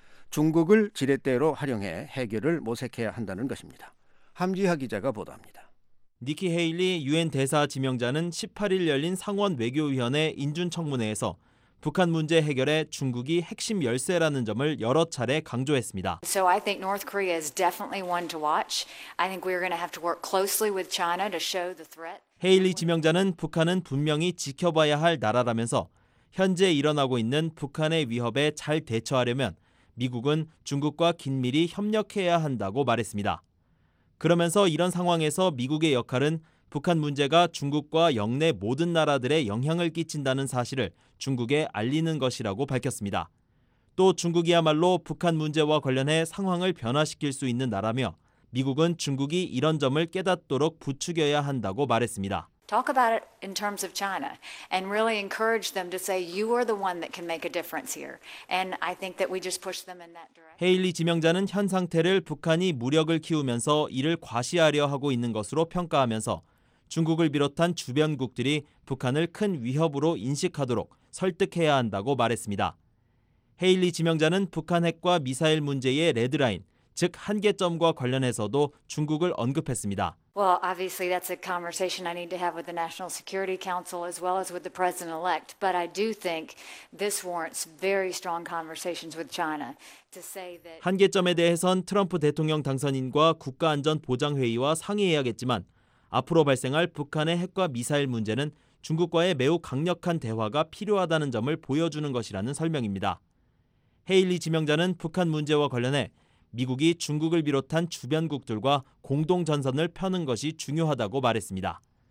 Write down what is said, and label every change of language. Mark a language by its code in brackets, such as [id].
[ko] 중국을 지렛대로 활용해 해결을 모색해야 한다는 것입니다. 함지하 기자가 보도합니다. 니키 헤일리 유엔 대사 지명자는 18일 열린 상원 외교위원회 인준청문회에서 북한 문제 해결에 중국이 핵심 열쇠라는 점을 여러 차례 강조했습니다. [en] So I think North Korea is definitely one to watch. I think we're going to have to work closely with China to show the threat. [ko] 헤일리 지명자는 북한은 분명히 지켜봐야 할 나라라면서 현재 일어나고 있는 북한의 위협에 잘 대처하려면 미국은 중국과 긴밀히 협력해야 한다고 말했습니다. 그러면서 이런 상황에서 미국의 역할은 북한 문제가 중국과 영내 모든 나라들의 영향을 끼친다는 사실을 중국에 알리는 것이라고 밝혔습니다. 또 중국이야말로 북한 문제와 관련해 상황을 변화시킬 수 있는 나라며 미국은 중국이 이런 점을 깨닫도록 부추겨야 한다고 말했습니다. [en] Talk about it in terms of China and really encourage them to say you are the one that can make a difference here. And I think that we just push them in that direction. [ko] 헤일리 지명자는 현 상태를 북한이 무력을 키우면서 이를 과시하려 하고 있는 것으로 평가하면서 중국을 비롯한 주변국들이 북한을 큰 위협으로 인식하도록 설득해야 한다고 말했습니다. 헤일리 지명자는 북한 핵과 미사일 문제의 레드라인, 즉 한계점과 관련해서도 중국을 언급했습니다. [en] Well, obviously that's a conversation I need to have with the National Security Council as well as with the President-elect. But I do think this warrants very strong conversations with China to say that [ko] 한계점에 대해선 트럼프 대통령 당선인과 국가안전보장회의와 상의해야겠지만 앞으로 발생할 북한의 핵과 미사일 문제는 중국과의 매우 강력한 대화가 필요하다는 점을 보여주는 것이라는 설명입니다. 헤일리 지명자는 북한 문제와 관련해 미국이 중국을 비롯한 주변국들과 공동전선을 펴는 것이 중요하다고 말했습니다.